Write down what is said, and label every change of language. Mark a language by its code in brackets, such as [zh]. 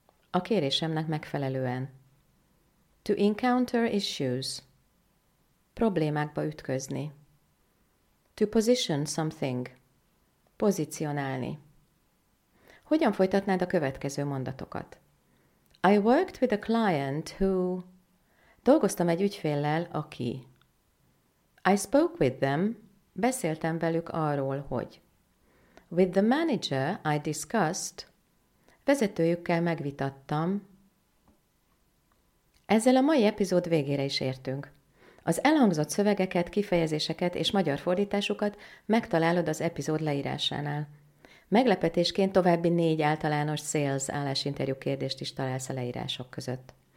[hu] A kérésemnek megfelelően. [en] To encounter issues. [hu] Problémákba ütközni. [en] To position something. [hu] Pozícionálni. Hogyan folytatnád a következő mondatokat? [en] I worked with a client who... [hu] Dolgoztam egy ügyféllel, aki... [en] I spoke with them. [hu] Beszéltem velük arról, hogy... [en] With the manager I discussed... [hu] Vezetőjükkel megvitattam... Ezzel a mai epizód végére is értünk. Az elhangzott szövegeket, kifejezéseket és magyar fordításukat megtalálod az epizód leírásánál. Meglepetésként további 4 általános sales állásinterjú kérdést is találsz a leírások között.